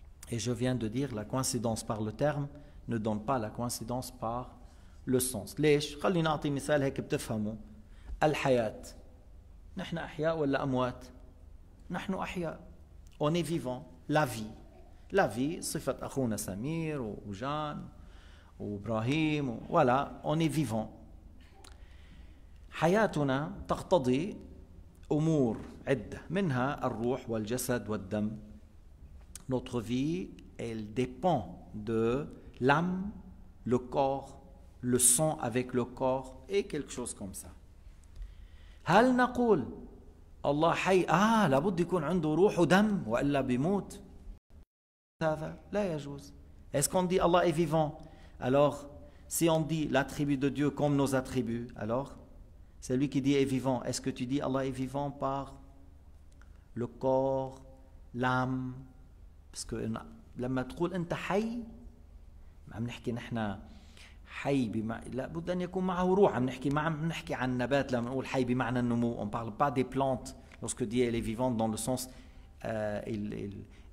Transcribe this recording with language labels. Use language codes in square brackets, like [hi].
[fr] Et je viens de dire, la coïncidence par le terme ne donne pas la coïncidence par le sens. [ar] ليش؟ خلينا نعطي مثال هيك بتفهموا. الحياة. نحن أحياء ولا أموات؟ نحن أحياء. [fr] On est vivant. La vie. La vie, [ar] صفة أخونا سمير وجان وإبراهيم. [fr] Voilà, on est vivant. [ar] حياتنا تقتضي أمور عدة. منها الروح والجسد والدم. [fr] Notre vie, elle dépend de l'âme, le corps, le sang avec le corps et quelque chose comme ça. [ar] هل نقول الله حي لابد يكون عنده روح ودم وإلا بيموت؟ هذا لا يجوز. [fr] Est-ce qu'on dit Allah est vivant? Alors, si on dit l'attribut de Dieu comme nos attributs, alors, c'est lui qui dit est vivant. Est-ce que tu dis Allah est vivant par le corps, l'âme? Parce que [ar] لما تقول أنت حي عم نحكي نحن حي بما لا بد أن يكون معه روح عم نحكي ما عم نحكي عن نبات لما نقول حي بمعنى النمو [fr] on parle pas des plantes lorsque dit elle est vivante dans le sens il